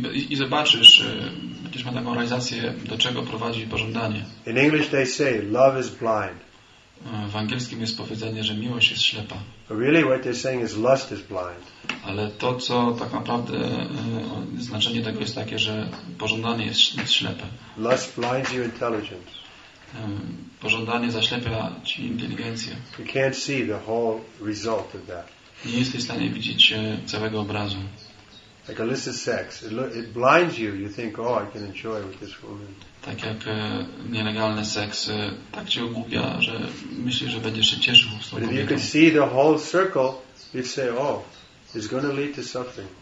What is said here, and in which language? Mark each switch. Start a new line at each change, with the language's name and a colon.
Polish: I zobaczysz, gdzieś ma taką realizację, do czego prowadzi pożądanie.
English: In English they say love is blind.
Polish: W angielskim jest powiedzenie, że miłość jest ślepa.
English: But really what they're saying is lust is blind.
Polish: Ale to, co tak naprawdę znaczenie tego jest takie, że pożądanie jest ślepe.
English: Lust blinds your intelligence.
Polish: Pożądanie zaślepia ci inteligencję.
English: You can't see the whole result of that.
Polish: Nie jesteś w stanie widzieć całego obrazu.
English: Like illicit sex, it blinds you. You think, oh, I can enjoy with this woman.
Polish: Tak jak nielegalny seks, tak cię ogłupia, że myślisz, że będziesz się cieszył z tą kobietą.
English: But if you could see the whole circle, you'd say, oh. It's going to lead to something.